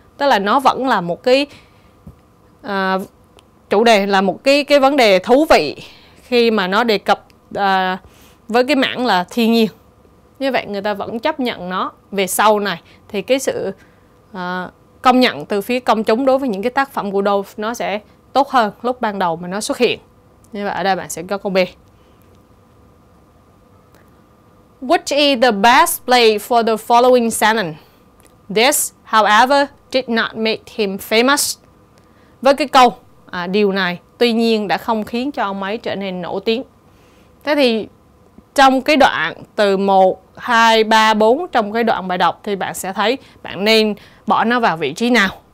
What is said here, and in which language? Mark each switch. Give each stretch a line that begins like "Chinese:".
Vietnamese: Tức là nó vẫn là một cái chủ đề, là một cái vấn đề thú vị khi mà nó đề cập với cái mảng là thiên nhiên. Như vậy người ta vẫn chấp nhận nó. Về sau này thì cái sự công nhận từ phía công chúng đối với những cái tác phẩm của Doe nó sẽ tốt hơn lúc ban đầu mà nó xuất hiện. Như vậy ở đây bạn sẽ có câu B.
English: Which is the best play for the following sentence? This, however, did not make him famous.
Vietnamese: Với cái câu điều này tuy nhiên đã không khiến cho ông ấy trở nên nổi tiếng. Thế thì trong cái đoạn từ 1, 2, 3, 4 trong cái đoạn bài đọc thì bạn sẽ thấy bạn nên bỏ nó vào vị trí nào.